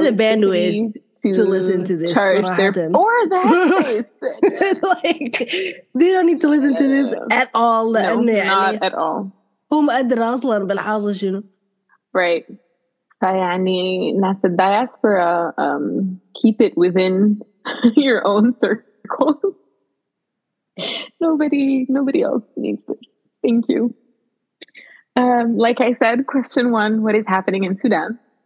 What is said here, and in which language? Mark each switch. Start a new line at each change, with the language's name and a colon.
English: the bandwidth to listen to this. Or the like, they don't need to listen to this at all. No, not at all.
Arabic: هم أدرى أصلاً بالحاصل شنو.
English: Right.
Arabic: فيعني ناس الديسبرا,
English: keep it within your own circle. Nobody else needs it. Thank you. Like I said, question one, what is happening in Sudan?